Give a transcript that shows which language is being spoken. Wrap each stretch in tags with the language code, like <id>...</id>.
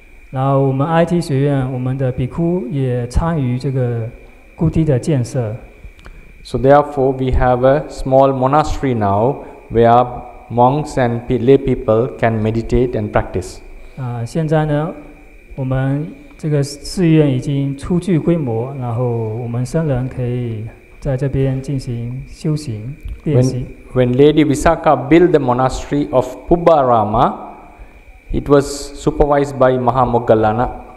<zh>然后我们IT学院，我们的比库也参与这个孤地的建设。</zh> <en>So therefore, we have a small monastery now where monks and lay people can meditate and practice.</en> <zh>现在呢，我们 这个寺院已经初具规模，然后我们僧人可以在这边进行修行练习。</zh> <en>When Lady Visakha built the monastery of Pubbarama, it was supervised by Mahamoggallana.</en>